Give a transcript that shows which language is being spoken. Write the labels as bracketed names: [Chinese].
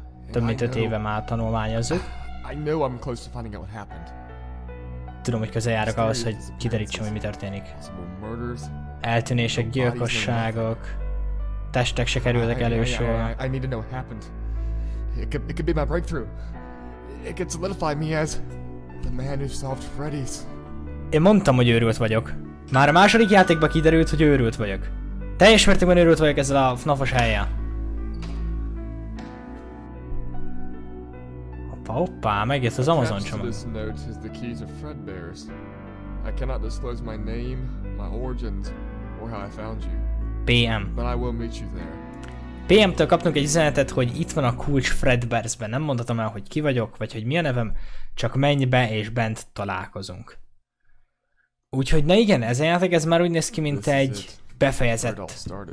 [Hungarian] Több mint 5 éve már tanulmányozok. [English] I know I'm close to finding out what happened. [Hungarian] Tudom, hogy közel járok ahhoz, hogy kiderítsem, hogy mi történik. Eltűnések, gyilkosságok. Testek se kerültek elősorra. [English] I need to know what happened. It could be my breakthrough. It could solidify me as the man who solved Freddy's. [Hungarian] Én mondtam, hogy őrült vagyok. Már a második játékban kiderült, hogy őrült vagyok. Teljes mértékben őrült vagyok ezzel a FNAF-os helyen. Hoppa, megjött az Amazon csomag. [English] This note is the keys of Fredbear's. I cannot disclose my name, my origins, or how I found you. PM. But I will meet you there. [Hungarian] PM-től kaptunk egy üzenetet, hogy itt van a kulcs Fredbear's-ben. Nem mondhatom el, hogy ki vagyok, vagy hogy mi a nevem, csak menj be és bent találkozunk. Úgyhogy na igen, ez a játék, ez már úgy néz ki, mint egy befejezett.